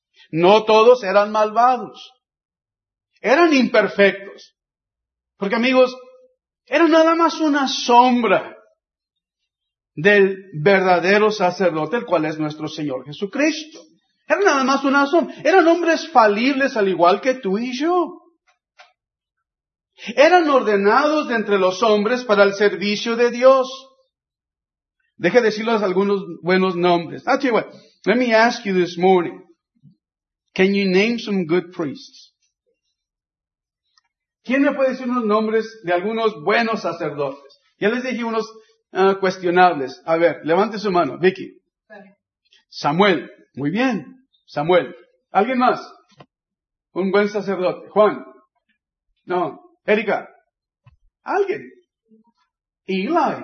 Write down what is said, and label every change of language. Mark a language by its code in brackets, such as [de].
[es] No todos eran malvados, eran imperfectos, porque amigos, era nada más una sombra del verdadero sacerdote, el cual es nuestro Señor Jesucristo. Era nada más una sombra, eran hombres falibles al igual que tú y yo. Eran ordenados de entre los hombres para el servicio de Dios. Deje decirles algunos buenos nombres. [en] Let me ask you this morning. Can you name some good priests? [es] ¿Quién me puede decir unos nombres de algunos buenos sacerdotes? Ya les dije unos cuestionables. A ver, levante su mano. Vicky. Samuel. Muy bien. Samuel. ¿Alguien más? Un buen sacerdote. Juan. No. Erika. ¿Alguien? Eli.